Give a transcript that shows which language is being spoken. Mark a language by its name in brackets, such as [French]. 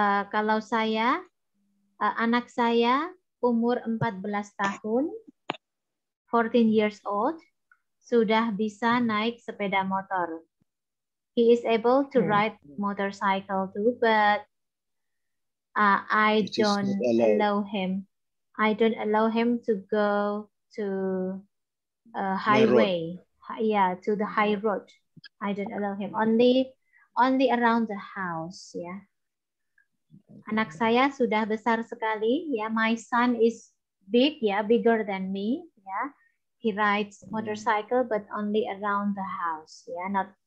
[Indonesian] Kalau saya, anak saya umur 14 tahun, [English] 14 years old, [Indonesian] sudah bisa naik sepeda motor. [English] He is able to ride motorcycle too, but I don't allow him to go to highway, to the high road. I don't allow him. Only around the house, yeah. [Indonesian] Anak saya sudah besar sekali, yeah. [English] My son is big, yeah, bigger than me, yeah. He rides motorcycle, but only around the house, yeah.